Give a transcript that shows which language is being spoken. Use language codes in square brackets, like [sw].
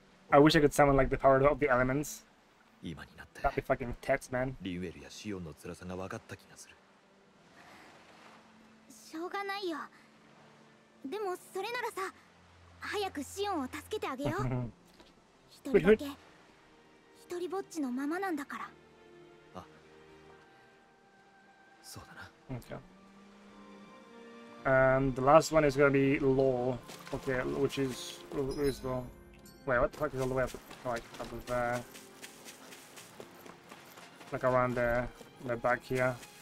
[en] I wish I could summon like the power of the elements. That'd be fucking tits, man. [ja] しょうがないよ。でもそれならさ、早くシオンを助けてあげよう。一人だけ、一人ぼっちのままなんだから。あ、そうだな。 [en] The last one is gonna be Law, okay, which is the wait, what the fuck is all the way up, like up of like around the back here.